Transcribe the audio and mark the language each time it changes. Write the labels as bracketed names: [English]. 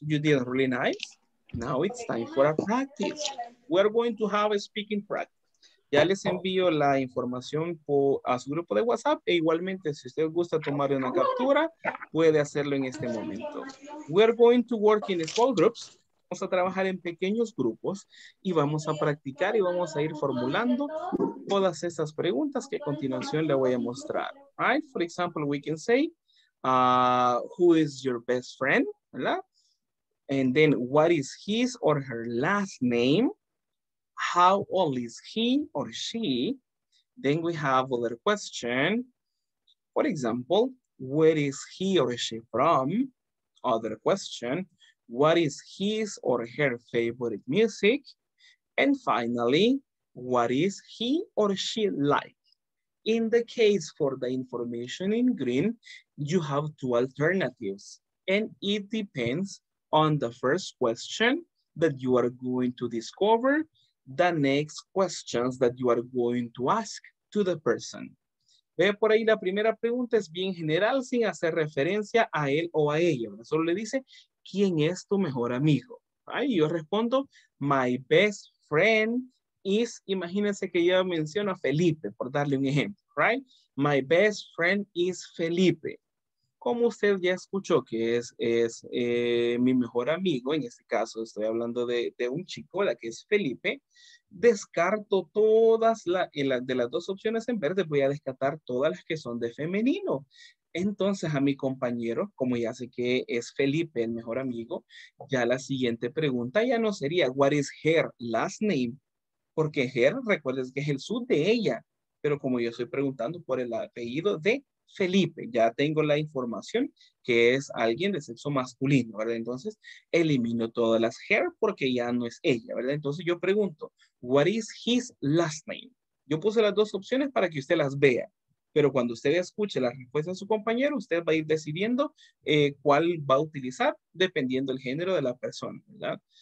[English] You did really nice. Now it's time for a practice. We're going to have a speaking practice. [Spanish] Ya les envío la información a su grupo de WhatsApp. E igualmente, si usted gusta tomar una captura, puede hacerlo en este momento. [English] We're going to work in small groups. [Spanish] Vamos a trabajar en pequeños grupos y vamos a practicar y vamos a ir formulando todas esas preguntas que a continuación le voy a mostrar. [English] Right? For example, we can say, who is your best friend? ¿Verdad? And then, what is his or her last name? How old is he or she? Then we have other question. For example, where is he or she from? Other question, what is his or her favorite music? And finally, what is he or she like? In the case for the information in green, you have two alternatives, and it depends on the first question that you are going to discover the next questions that you are going to ask to the person. [Spanish] Ve por ahí, la primera pregunta es bien general, sin hacer referencia a él o a ella. Solo le dice, ¿quién es tu mejor amigo? Ahí yo respondo, [English] my best friend is, [Spanish] imagínense que yo menciono a Felipe, por darle un ejemplo, [English] right? My best friend is Felipe. [Spanish] Como usted ya escuchó que es mi mejor amigo, en este caso estoy hablando de un chico, la que es Felipe, descarto todas las dos opciones en verde, voy a descartar todas las que son de femenino. Entonces a mi compañero, como ya sé que es Felipe el mejor amigo, ya la siguiente pregunta ya no sería, [English] what is her last name? [Spanish] Porque her, recuerdes que es el sub de ella, pero como yo estoy preguntando por el apellido de Felipe, ya tengo la información que es alguien de sexo masculino, ¿verdad? Entonces, elimino todas las her porque ya no es ella, ¿verdad? Entonces, yo pregunto, [English] what is his last name? [Spanish] Yo puse las dos opciones para que usted las vea, pero cuando usted escuche la respuesta de su compañero, usted va a ir decidiendo cuál va a utilizar dependiendo del género de la persona, ¿verdad?